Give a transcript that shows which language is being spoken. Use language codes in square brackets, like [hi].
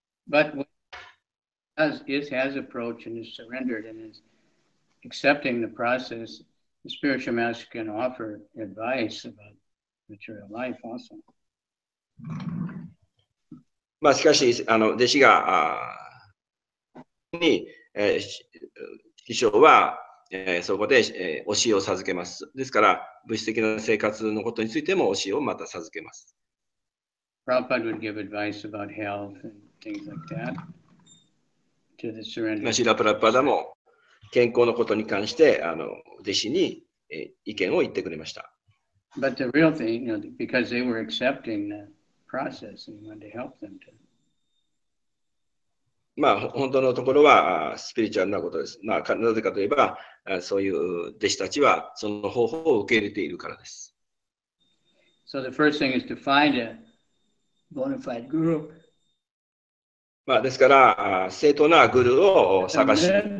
[en] But when he has approached and is surrendered and is accepting the process, the spiritual master can offer advice about material life also. [ja] まあ、しかし、弟子が、に、師匠は、そこで、教えを授けます。ですから、物質的な生活のことについても教えをまた授けます。 [en] Prabhupada would give advice about health and things like that to the surrender. [ja] シラ・プラッパダも健康のことに関して弟子に、意見を言ってくれました。 [en] But the real thing, you know, because they were accepting the process and wanted to help them to. [ja] まあ、本当のところはスピリチュアルなことです。まあ、なぜかといえば、そういう弟子たちはその方法を受け入れているからです。 [en] So the first thing is to find a bona fide guru. [ja] まあですから、正当なグルーを探し。